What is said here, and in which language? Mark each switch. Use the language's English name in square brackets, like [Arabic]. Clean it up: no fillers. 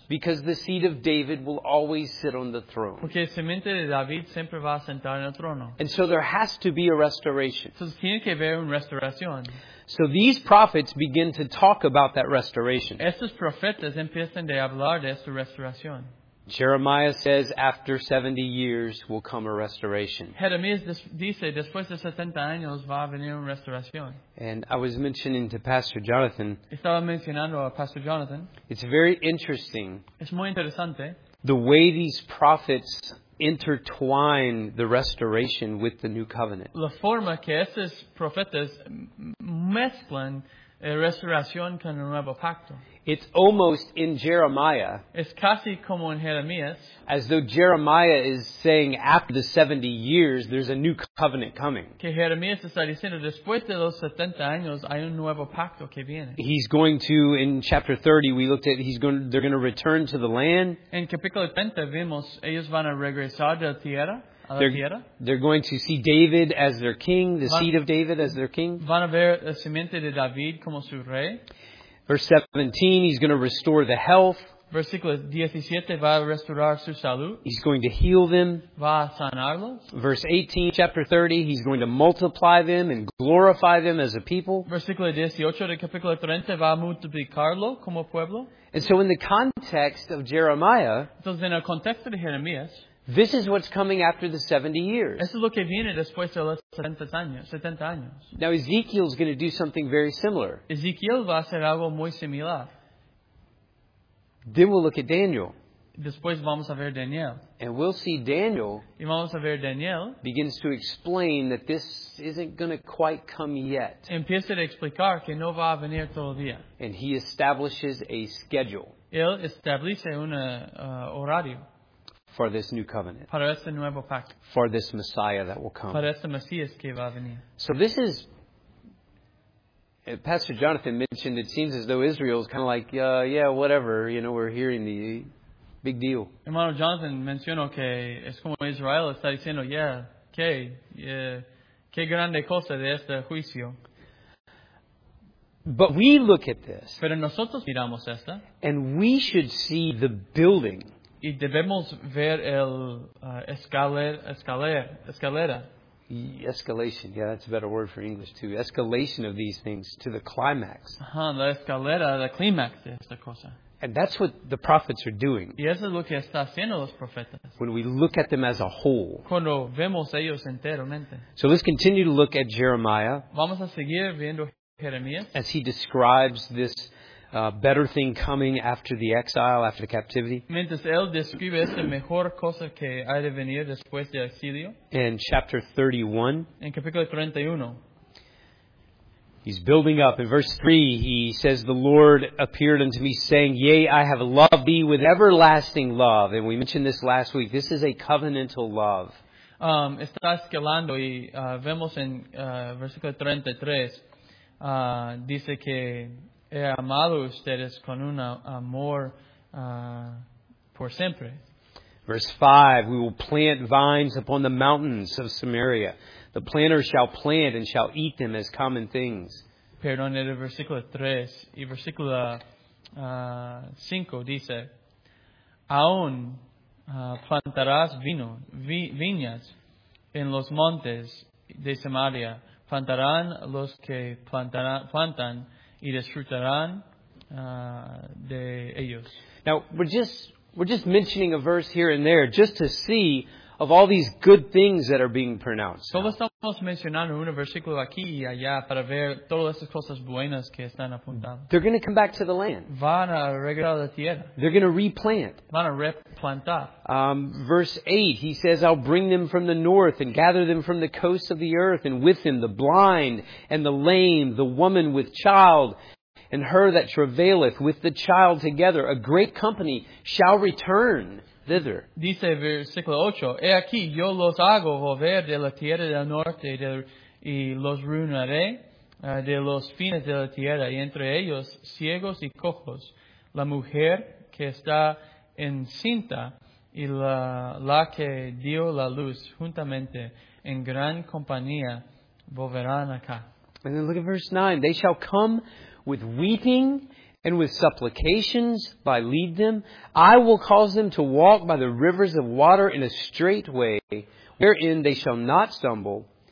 [English] Because the seed of David will always sit on the throne. [Spanish] Porque la simiente de David siempre va a sentar en el trono. [English] And so there has to be a restoration. [Spanish] Entonces tiene que haber una restauración. [English] So these prophets begin to talk about that restoration. [Spanish] Estos profetas empiezan a hablar de esta restauración. [English] Jeremiah says, after 70 years will come a restoration. [Spanish] Jeremías dice, después de 70 años va a venir una restauración. [English] And I was mentioning to Pastor Jonathan, [Spanish] estaba mencionando a Pastor Jonathan, [English] it's very interesting, [Spanish] es muy interesante, [English] the way these prophets intertwine the restoration with the new covenant. [Spanish] La forma que estos profetas mezclan resurrección con el nuevo pacto. [English] It's almost in Jeremiah. [Spanish] Es casi como en Jeremías. [English] As though Jeremiah is saying, after the 70 years, there's a new covenant coming. [Spanish] Que Jeremías está diciendo, después de los 70 años, hay un nuevo pacto que viene. [English] He's going to, in chapter 30, we looked at, they're going to return to the land. [Spanish] En capítulo 30 vimos, ellos van a regresar de la tierra. [English] They're going to see David as their king, seed of David as their king. [Spanish] Van a ver la simiente de David como su rey. [English] Verse 17, he's going to restore the health. [Spanish] Versículo 17, va a restaurar su salud. [English] He's going to heal them. [Spanish] Va a sanarlos. [English] Verse 18, chapter 30, he's going to multiply them and glorify them as a people. [Spanish] Versículo 18 de capítulo 30, va a multiplicarlo como pueblo. [English] And so in the context of Jeremiah, [Spanish] entonces en el contexto de Jeremías, [English] this is what's coming after the 70 years. [Spanish] Eso es lo que viene después de los 70 años. [English] Now Ezekiel is going to do something very similar. [Spanish] Ezekiel va a hacer algo muy similar. [English] Then we'll look at Daniel. [Spanish] Después vamos a ver Daniel. [English] And we'll see Daniel. [Spanish] Y vamos a ver Daniel. [English] Begins to explain that this isn't going to quite come yet. [Spanish] Empieza a explicar que no va a venir todavía. [English] And he establishes a schedule. [Spanish] Él establece un horario. [English] For this new covenant. [Spanish] Para este nuevo pacto. [English] For this Messiah that will come. [Spanish] Para este Mesías que va a venir. [English] So this is, Pastor Jonathan mentioned, it seems as though Israel is kind of like, yeah, whatever, you know, we're hearing the big deal. [Spanish] Hermano Jonathan mencionó que es como Israel está diciendo, qué grande cosa de este juicio. [English] But we look at this. [Spanish] Pero nosotros miramos esta. [English] And we should see the building. [Spanish] Y debemos ver el escalera. [English] Escalation, yeah, that's a better word for English too. Escalation of these things to the climax. [Spanish] La escalera, la climax de esta cosa. [English] And that's what the prophets are doing. [Spanish] Y eso es lo que está haciendo los profetas. [English] When we look at them as a whole. [Spanish] Cuando vemos ellos enteramente. [English] So let's continue to look at Jeremiah. [Spanish] Vamos a seguir viendo Jeremías. [English] As he describes this better thing coming after the exile, after the captivity. [Spanish] Mientras él describe esta mejor cosa que ha de venir después del exilio. [English] In chapter 31. [Spanish] En capítulo 31. [English] He's building up. In verse 3, he says, "The Lord appeared unto me, saying, Yea, I have loved thee with everlasting love." And we mentioned this last week. This is a covenantal love. [Spanish] Está escalando y vemos en versículo 33. Dice que he amado ustedes con un amor por siempre. [English] Verse 5, we will plant vines upon the mountains of Samaria. The planter shall plant and shall eat them as common things. [Spanish] Perdón, en el versículo 3 y versículo 5 dice, aún plantarás viñas en los montes de Samaria. Plantarán los que plantan y disfrutarán de ellos. [English] Now, we're just mentioning a verse here and there just to see of all these good things that are being pronounced. [Spanish] Solo estamos mencionando un versículo aquí y allá para ver todas estas cosas buenas que están apuntando. [English] They're going to come back to the land. [Spanish] Van a regresar a la tierra. [English] They're going to replant. [Spanish] Van a replantar. [English] Verse 8, he says, "I'll bring them from the north and gather them from the coasts of the earth, and with them the blind and the lame, the woman with child, and her that travaileth with the child together. A great company shall return." Thither. [Spanish] Dice versículo 8, he aquí, yo los hago volver de la tierra del norte y los reuniré de los fines de la tierra, y entre ellos ciegos y cojos, la mujer que está encinta y la que dio la luz juntamente en gran compañía volverán acá. [English] And then look at verse 9, they shall come with weeping and with supplications, by lead them, I will cause them to walk by the rivers of water in a straight way, wherein they shall not stumble.